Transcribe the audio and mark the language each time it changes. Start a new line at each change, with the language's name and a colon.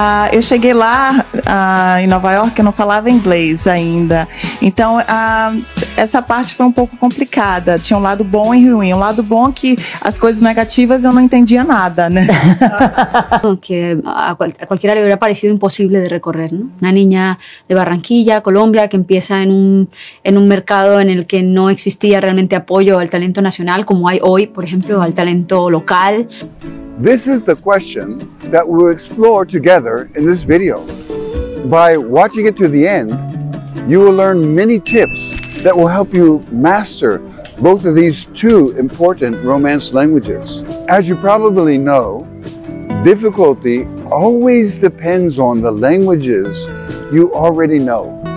Portuguese: Eu cheguei lá em Nova York, eu não falava inglês ainda. Então, essa parte foi um pouco complicada. Tinha um lado bom e ruim. Um lado bom que as coisas negativas eu não entendia nada, né?
Spanish: Que a cualquiera le hubiera parecido imposible de recorrer, ¿no? Una niña de Barranquilla, Colombia, que empieza en un mercado en el que no existía realmente apoyo al talento nacional, como hay hoy, por ejemplo, al talento local.
English: This is the question that we'll explore together in this video. By watching it to the end, you will learn many tips that will help you master both of these two important Romance languages. As you probably know, difficulty always depends on the languages you already know.